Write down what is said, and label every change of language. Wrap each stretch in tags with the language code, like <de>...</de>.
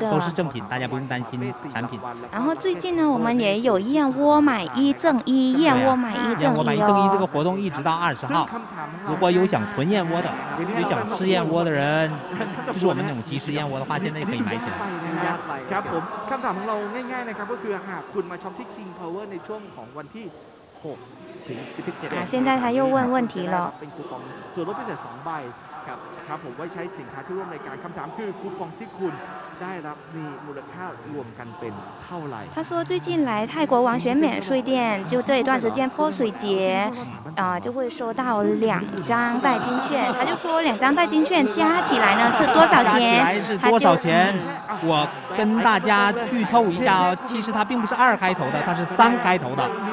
<zh>都是正品，大家不用担心产品。然后最近呢，我们也有燕窝买一赠一，燕窝买一赠一哦。燕窝买一赠一这个活动一直到20号，如果有想囤燕窝的，有想吃燕窝的人，就是我们那种即食燕窝的话，现在可以买起来。</zh> <th>ครับผมคำถามของเราง่ายๆนะครับก็คือหากคุณมาช็อปที่ King Power ในช่วงของวันที่6ถึง17</th> <zh>现在他又问问题了。</zh> <th>เป็นคูปองส่วนลดพิเศษ2ใบครับผมไว้ใช้สินค้าที่ร่วมในการคำถามคือคูปองที่คุณได้รับมีมูลค่ารวมกันเป็นเท่าไหร่</th> <zh>他说最近来泰国王选免税店，就这一段时间泼水节，就会收到2张代金券。他就说2张代金券加起来呢是多少钱？加起来是多少钱？我跟大家剧透一下，其实它并不是二开头的，它是三开头的。</zh>